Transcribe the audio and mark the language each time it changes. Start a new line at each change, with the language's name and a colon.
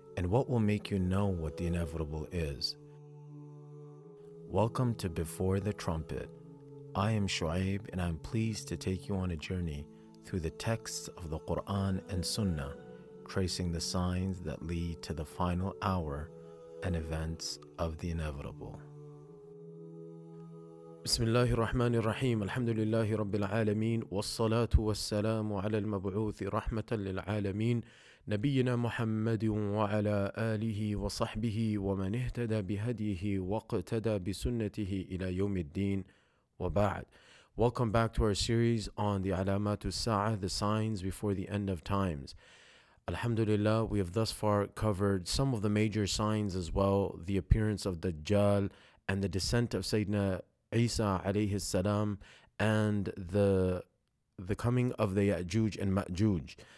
English: And what will make you know what the inevitable is?" Welcome to Before the Trumpet. I am Shu'aib and I'm pleased to take you on a journey through the texts of the Quran and Sunnah, tracing the signs that lead to the final hour and events of the inevitable.
Arabic: بسم الله الرحمن الرحيم الحمد لله رب العالمين والصلاة والسلام على المبعوث رحمة للعالمين نبينا محمد وعلى آله وصحبه ومن اهتدى بهديه واقتدى بسنته إلى يوم الدين وبعد.
English: Welcome back to our series on the
Arabic: علامات الساعة,
English: the signs before the end of times. Alhamdulillah, we have thus far covered some of the major signs as well, the appearance of Dajjal and the descent of Sayyidina Isa alayhi salam, and the coming of the Ya'juj and Ma'juj.